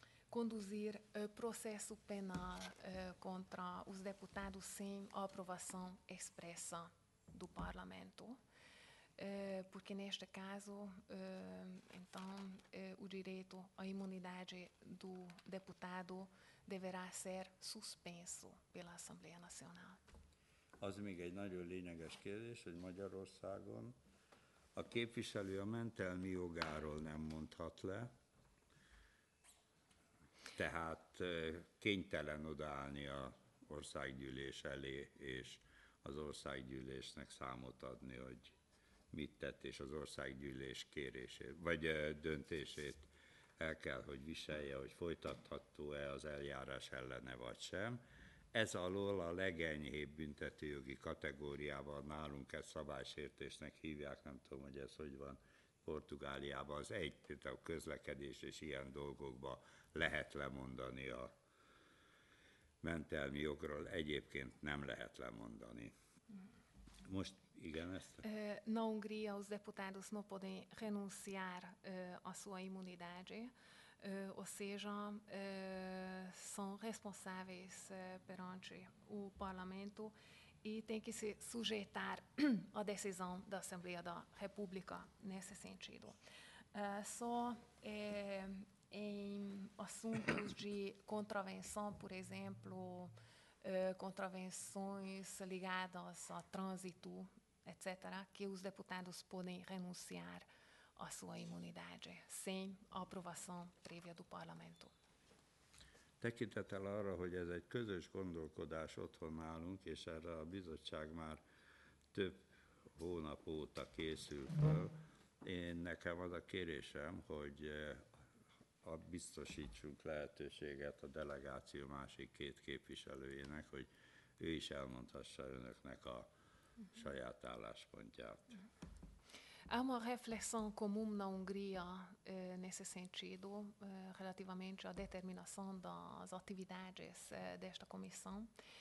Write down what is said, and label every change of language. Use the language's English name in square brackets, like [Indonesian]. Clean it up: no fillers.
[Portuguese] conduzir processo penal contra os deputados sem a aprovação expressa do parlamento, porque neste caso, então, o direito à imunidade do deputado deverá ser suspenso pela Assembleia Nacional. [Hungarian] Az még egy nagyon lényeges kérdés, hogy Magyarországon a képviselő a mentelmi jogáról nem mondhat le, tehát kénytelen odaállni a országgyűlés elé, és az országgyűlésnek számot adni, hogy mit tett, és az országgyűlés kérését, vagy döntését el kell, hogy viselje, hogy folytatható-e az eljárás ellene, vagy sem. Ez alól a legenyhébb büntetőjogi kategóriában nálunk ezt szabálysértésnek hívják, nem tudom, hogy ez hogy van Portugáliában, az egy, tehát a közlekedés és ilyen dolgokban lehet lemondani a mentelmi jogról, egyébként nem lehet lemondani. Most igen, ezt? [Portuguese] Na Hungria os deputados não podem renunciar a sua imunidade, ou seja, são responsáveis perante o parlamento e têm que se sujeitar à decisão da Assembleia da República nesse sentido. Só em assuntos de contravenção, por exemplo, contravenções ligadas ao trânsito, etc., que os deputados podem renunciar à sua imunidade sem a aprovação prévia do parlamento. [Hungarian] Tekintettel arra, hogy ez egy közös gondolkodás otthon nálunk, és erre a bizottság már több hónap óta készül fel. Én nekem az a kérésem, hogy biztosítsunk lehetőséget a delegáció másik két képviselőjének, hogy ő is elmondhassa önöknek a saját álláspontját. [Portuguese] Há uma reflexão comum na Hungria nesse sentido, relativamente à determinação das atividades desta comissão.